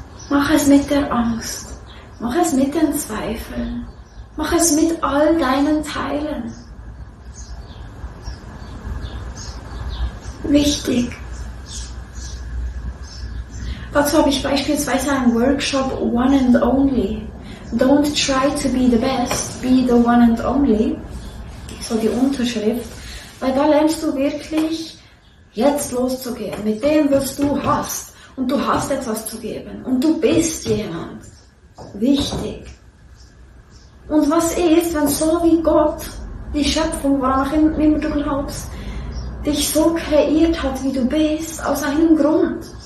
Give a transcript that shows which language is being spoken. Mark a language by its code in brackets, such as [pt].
[de] Mach es mit der Angst. Mach es mit den Zweifeln. Mach es mit all deinen Teilen. Wichtig. Dazu habe ich beispielsweise einen Workshop One and Only. [en] Don't try to be the best, be the one and only. [de] So die Unterschrift. Weil da lernst du wirklich, jetzt loszugehen mit dem, was du hast. Und du hast etwas zu geben. Und du bist jemand. Wichtig. Und was ist, wenn so wie Gott, die Schöpfung, woran auch immer du glaubst, dich so kreiert hat, wie du bist, aus einem Grund.